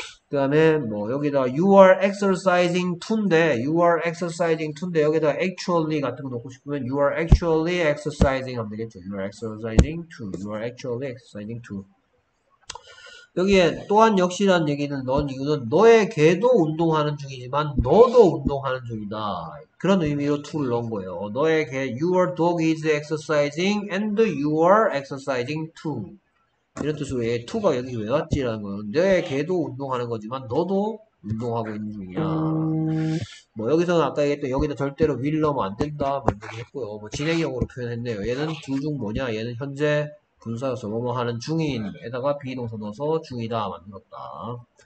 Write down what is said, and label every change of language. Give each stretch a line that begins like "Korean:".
Korean: 그다음에 뭐 여기다
English: you are exercising to인데 you are exercising to인데
Korean: 여기다 actually 같은 거 놓고 싶으면
English: you are actually exercising
Korean: 하면 되겠죠.
English: you are exercising to. you are actually exercising to.
Korean: 여기에 또한 역시란 얘기는 넌 이유는 너의 개도 운동하는 중이지만 너도 운동하는 중이다. 그런 의미로 to를 넣은 거예요. 너의 개,
English: your dog is exercising and you are exercising too.
Korean: 이런 뜻으로 얘 to가 여기 왜 왔지라는 거는 너의 개도 운동하는 거지만 너도 운동하고 있는 중이야. 뭐 여기서는 아까 얘기했던 여기다 절대로 will 넣으면 안 된다. 뭐 했고요. 뭐 진행형으로 표현했네요. 얘는 둘중 뭐냐? 얘는 현재 분사여서 뭐뭐 하는 중인에다가 비동사 넣어서 중이다 만들었다.